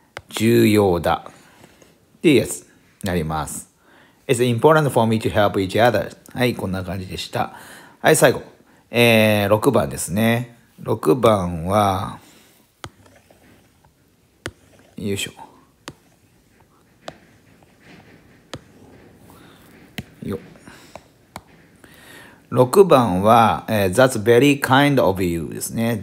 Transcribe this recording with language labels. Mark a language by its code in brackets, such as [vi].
[ja] 重要だ。っていうやつになります。 [en] It's important for me to help each other. [ja] はい、こんな感じでした。はい、最後。6番ですね。6番は、よいしょ。よっ。6番は、 [en] That's very kind of you [ja] ですね。